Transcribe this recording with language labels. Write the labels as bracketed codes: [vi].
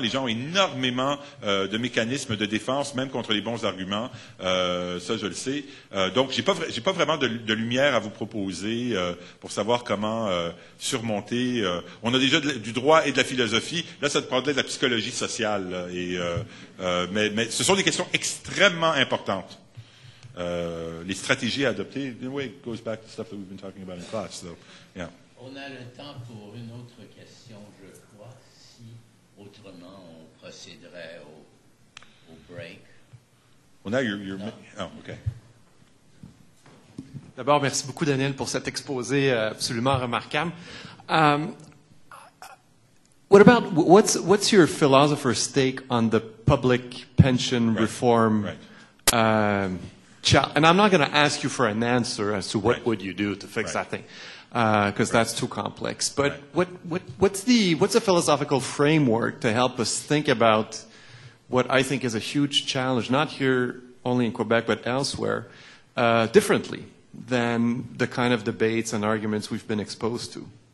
[fr] Les gens ont énormément de mécanismes de défense, même contre les bons arguments. Ça, je le sais. Donc, j'ai pas vraiment de lumière à vous proposer pour savoir comment surmonter. On a déjà du droit et de la philosophie. Là, ça te prendrait de la psychologie sociale. Mais ce sont des questions extrêmement importantes. Les stratégies adoptées, [en] in a way, it goes back to stuff that we've been talking about in class. So, yeah. [fr] On a le temps pour une autre question, je crois, si autrement on procéderait au break. [en] Well, now you're no. Oh, okay. [fr] D'abord, merci beaucoup, Daniel, pour cet exposé absolument remarquable. [en] What's your philosopher's take on the public pension reform? And I'm not going to ask you for an answer as to what would you do to fix that thing, because that's too complex. But what's the philosophical framework to help us think about what I think is a huge challenge, not here only in Quebec but elsewhere, differently than the kind of debates and arguments we've been exposed to?